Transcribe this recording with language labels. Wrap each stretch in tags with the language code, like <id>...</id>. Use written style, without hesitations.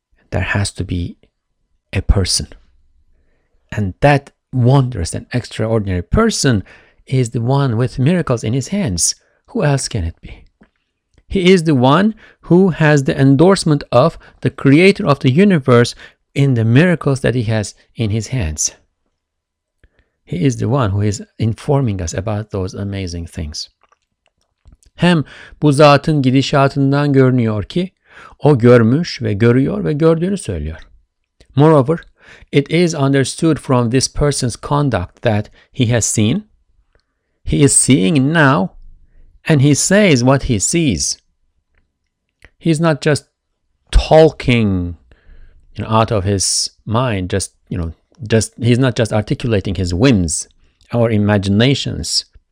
<en>There has to be a person, and that wondrous and extraordinary person is the one with miracles in his hands. Who else can it be? He is the one who has the endorsement of the creator of the universe in the miracles that he has in his hands. He is the one who is informing us about those amazing things.</en> <tr>Hem bu zatın gidişatından görünüyor ki o görmüş ve görüyor ve gördüğünü söylüyor.</tr> <en>Moreover, it is understood from this person's conduct that he has seen, he is seeing now, and he says what he sees. He's not just talking, you know, out of his mind, he's not just articulating his whims or imaginations.</en>